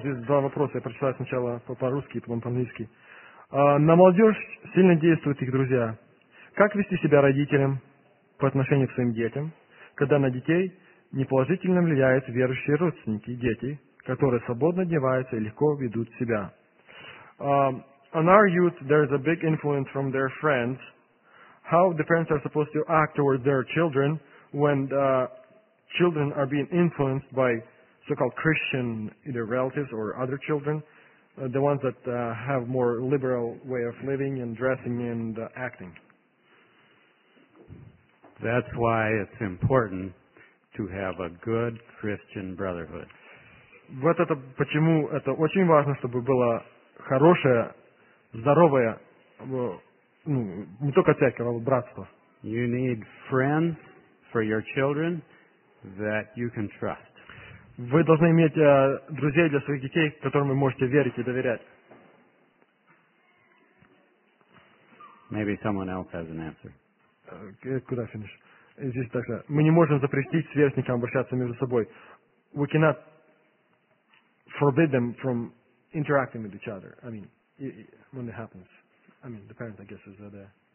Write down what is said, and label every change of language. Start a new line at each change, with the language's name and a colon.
Russian: Здесь два вопроса. Я прочитаю сначала по-русски, потом по-английски. На молодежь сильно действуют их друзья. Как вести себя родителям по отношению к своим детям, когда на детей неположительно влияют верующие родственники, дети, которые свободно одеваются и легко ведут себя?
English: On our youth, there is a big influence from their friends. How the parents are supposed to act towards their children when the children are being influenced by so-called Christian, either relatives or other children, the ones that have more liberal way of living and dressing and acting. That's why it's important to have a good Christian brotherhood.
Russian: Вот это почему это очень важно, чтобы было хорошее, здоровое, ну, не только церковь, а вот братство.
English: You need friends for your children that you can trust.
Russian: Вы должны иметь друзей для своих детей, которым вы можете верить и доверять.
English: Maybe someone else has an answer.
Russian: Куда финиш? Здесь так же. Мы не можем запретить сверстникам обращаться между собой.
English: We cannot forbid them from interacting with each other. I mean, when it happens. I mean, the parents, I guess, is there.